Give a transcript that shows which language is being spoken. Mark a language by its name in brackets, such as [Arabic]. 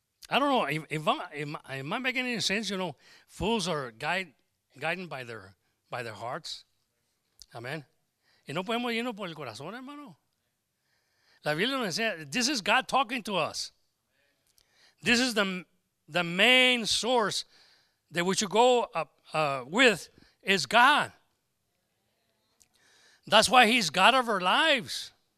[English] I don't know, am I making any sense? You know, fools are guided by their hearts. Amen. [Spanish] Y no podemos irnos por el corazón, hermano. La Biblia nos dice, [English] this is God talking to us. This is the main source that we should go with is God. That's why he's God of our lives.